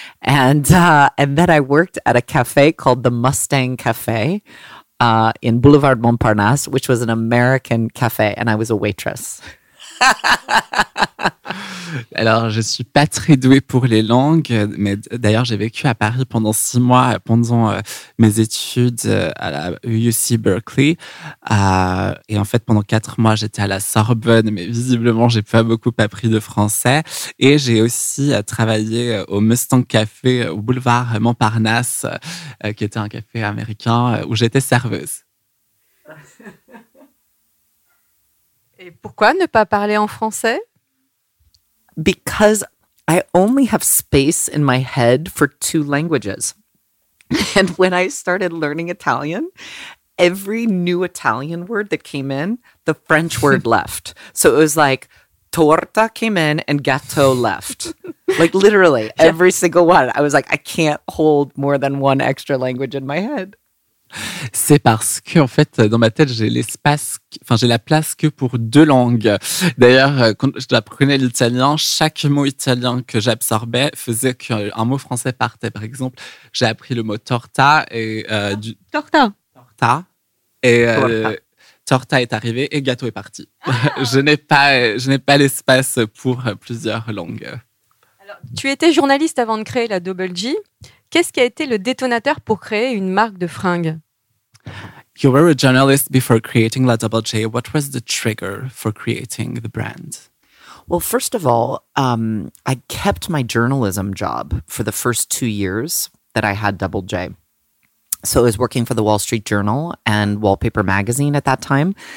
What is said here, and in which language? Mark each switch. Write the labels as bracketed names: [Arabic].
[English] And then I worked at a cafe called the Mustang Cafe in Boulevard Montparnasse, which was an American cafe. And I was a waitress. [French] Alors, je ne suis pas très douée pour les langues, mais d'ailleurs, j'ai vécu à Paris pendant 6 mois, pendant mes études à la UC Berkeley. Et en fait, pendant 4 mois, j'étais à la Sorbonne, mais visiblement, je n'ai pas beaucoup appris de français. Et j'ai aussi travaillé au Mustang Café au boulevard Montparnasse, qui était un café américain où j'étais serveuse. Et pourquoi ne pas parler en français? [English] Because I only have space in my head for 2 languages. And when I started learning Italian, every new Italian word that came in, the French word left. So it was like torta came in and gâteau left. Like literally every single one. I was like, I can't hold more than 1 extra language in my head. [French] C'est parce que, en fait, dans ma tête, j'ai la place que pour 2 langues. D'ailleurs, quand j'apprenais l'italien, chaque mot italien que j'absorbais faisait qu'un mot français partait. Par exemple, j'ai appris le mot torta et [Italian] torta. Torta. [French] Et torta est arrivé et gâteau est parti. Ah. Je n'ai pas l'espace pour plusieurs langues. Alors, tu étais journaliste avant de créer la Double G. Qu'est-ce qui a été le détonateur pour créer une marque de fringues? [English] You were a journalist before creating La Double J. What was the trigger for creating the brand? Well, first of all, I kept my journalism job for the first 2 years that I had Double J. So I was working for the Wall Street Journal and Wallpaper Magazine at that time.